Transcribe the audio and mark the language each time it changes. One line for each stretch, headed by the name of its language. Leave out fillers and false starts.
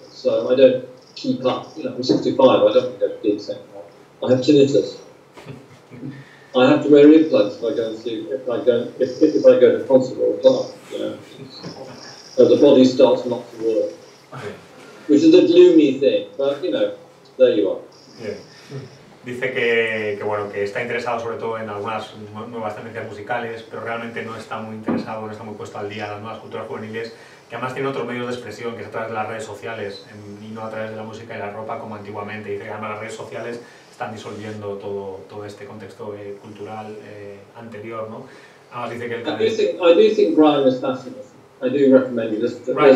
English: So I don't keep up. You know, I'm 65, I don't think I did the same thing. I have tinnitus. I have to wear earplugs if I go to concert or a club. You know, so the body starts not to work, yeah. Which is a gloomy thing. But you know, there you are. Yeah.
Spanish: Dice que bueno, que está interesado sobre todo en algunas nuevas tendencias musicales, pero realmente no está muy interesado, no está muy puesto al día en las nuevas culturas juveniles, que además tiene otros medios de expresión, que es a través de las redes sociales y no a través de la música y la ropa como antiguamente. Dice que además las redes sociales están disolviendo todo este contexto cultural anterior, ¿no? Además dice que el
English: I do think Brian is fascinating. I do recommend you listen to Brian.